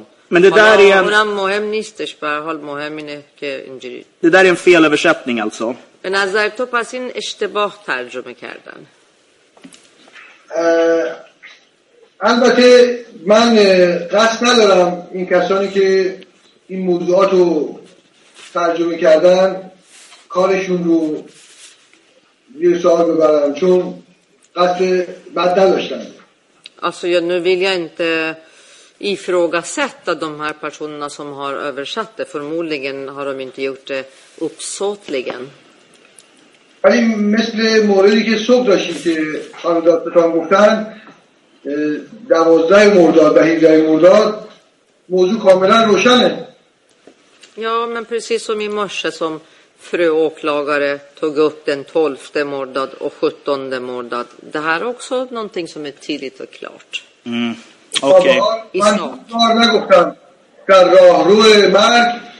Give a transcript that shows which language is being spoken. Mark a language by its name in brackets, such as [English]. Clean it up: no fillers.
[Swedish] Men det där är en... Det där är en felöversättning alltså. [Persian] به نظر تو پس این اشتباه ترجمه کردن؟ البته من قصد ندارم این کسانی که این موضوعات رو ترجمه کردن کارشون رو یه سوال ببرم چون قصد بد نداشتن. [Swedish] Alltså jag, nu vill jag inte ifrågasätta de här personerna som har översatt det. Förmodligen har de inte gjort det uppsåtligen. [Persian] ولی مثل موردی که صبح داشتیم که خانم دادستان گفتن 12 مرداد و 17 مرداد موضوع کاملا روشنه. یا من [Swedish] precis som i morse som fru åklagare tog upp den 12 mordad och 17 mordad. Det här är också någonting som är tydligt och klart. Mm. Okej. Okay. Jag har nagoftan. Där råh ruh mark.